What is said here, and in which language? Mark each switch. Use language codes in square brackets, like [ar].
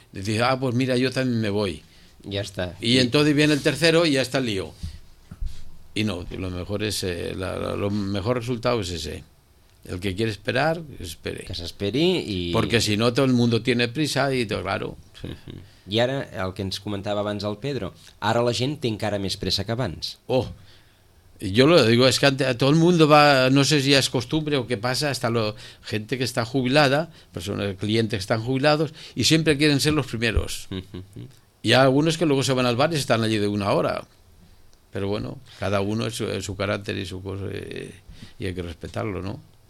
[es] Dice, ah, pues mira, yo también me voy. Ya está. Y entonces viene el tercero y ya está el lío. Y no, lo mejor es, lo mejor resultado es ese. El que quiere esperar, espere. [ca] Que s'esperi i... [es] Porque si no, todo el mundo tiene prisa y todo, claro. [ca] I ara, el que ens comentava abans el Pedro, ara la gent té encara més pressa que abans. [es] Oh, yo lo digo, es que a todo el mundo va, no sé si es costumbre o qué pasa, hasta la gente que está jubilada, personas, clientes que están jubilados, y siempre quieren ser los primeros. Y hay algunos que luego se van al bar y están allí de una hora. Pero bueno, cada uno es su carácter y su cosa, y hay que respetarlo, ¿no?